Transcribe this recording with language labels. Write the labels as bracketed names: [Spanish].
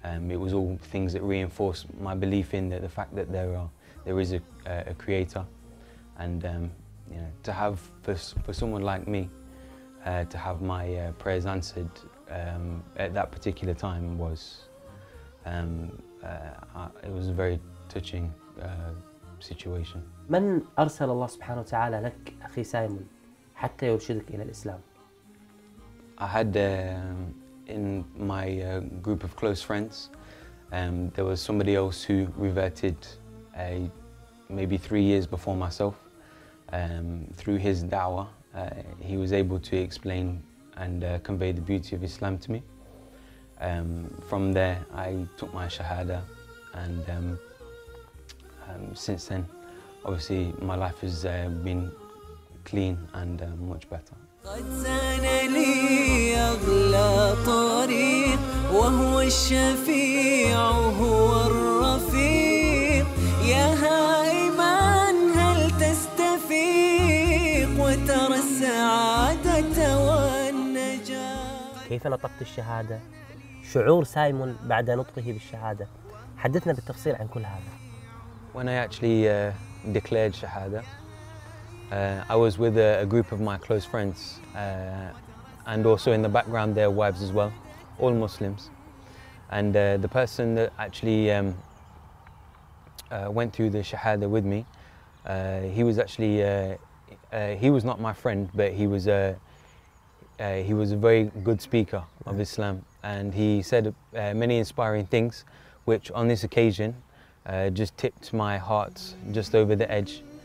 [English] It was all things that reinforced my belief in the fact that there is a creator, and you know, to have for someone like me to have my prayers answered at that particular time was it was a very touching situation. [Arabic] من أرسل الله سبحانه وتعالى لك أخي سايمون حتى يرشدك إلى الإسلام؟ [English] I had in my group of close friends, there was somebody else who reverted maybe 3 years before myself. Through his da'wah, he was able to explain and convey the beauty of Islam to me. From there, I took my shahada, and since then, obviously, my life has been clean and much better. [Arabic] قد سان لي أغلى طريق وهو الشفيع هو الرفيق يا هائما هل تستفيق وترى السعادة والنجاة. كيف نطقت الشهادة؟ شعور سايمون بعد نطقه بالشهادة؟ حدثنا بالتفصيل عن كل هذا. [English] When I actually declared shahada, I was with a group of my close friends, and also in the background their wives as well, all Muslims. And the person that actually went through the shahada with me, he was actually he was not my friend, but he was a very good speaker of Islam, and he said many inspiring things, which on this occasion just tipped my heart just over the edge.